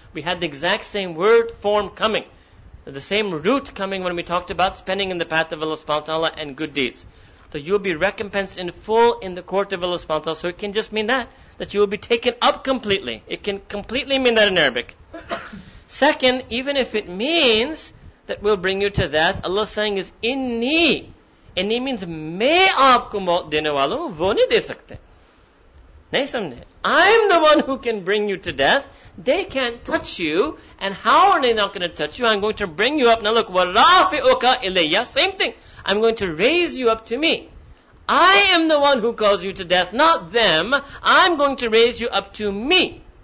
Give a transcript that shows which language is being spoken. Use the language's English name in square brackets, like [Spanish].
[English] We had the exact same word form coming. The same root coming when we talked about spending in the path of Allah subhanahu wa ta'ala and good deeds. So you will be recompensed in full in the court of Allah subhanahu wa ta'ala. So it can just mean that, that you will be taken up completely. It can completely mean that in Arabic. Second, even if it means that we'll bring you to that, Allah saying is inni. Inni means [Urdu] میں آپکو موت دینے والو, وہ نہیں دے سکتے. نہیں سمجھے. [English] I'm the one who can bring you to death. They can't touch you. And how are they not going to touch you? I'm going to bring you up. Now look, [Arabic] wa rafi'uka ilayya. [English] Same thing. I'm going to raise you up to me. I am the one who calls you to death, not them. I'm going to raise you up to me.